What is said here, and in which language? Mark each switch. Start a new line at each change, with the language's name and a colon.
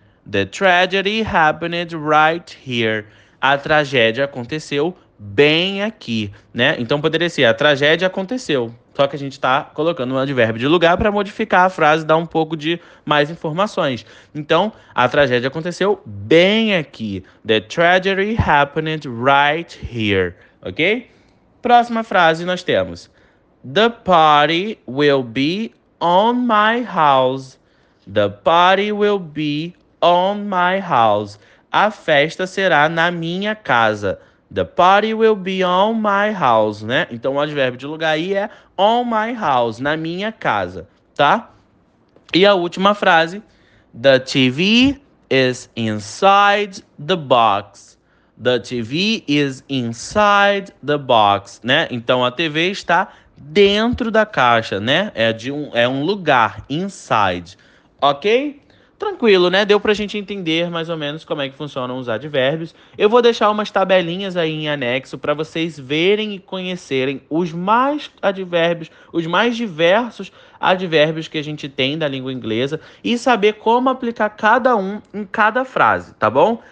English: The tragedy happened right here.
Portuguese: A tragédia aconteceu bem aqui, né? Então poderia ser: a tragédia aconteceu. Só que a gente está colocando um advérbio de lugar para modificar a frase e dar um pouco de mais informações. Então, a tragédia aconteceu bem aqui.
English: The tragedy happened right here. Ok?
Portuguese: Próxima frase nós temos:
English: The party will be on my house. The party will be on my house.
Portuguese: A festa será na minha casa.
English: The party will be on my house, né?
Portuguese: Então o advérbio de lugar aí é
English: on my house,
Portuguese: na minha casa, tá? E a última frase:
English: The TV is inside the box. The TV is inside the box, né?
Portuguese: Então a TV está dentro da caixa, né? É um lugar, inside. Ok? Tranquilo, né? Deu para a gente entender mais ou menos como é que funcionam os advérbios. Eu vou deixar umas tabelinhas aí em anexo para vocês verem e conhecerem os mais diversos advérbios que a gente tem da língua inglesa e saber como aplicar cada um em cada frase, tá bom?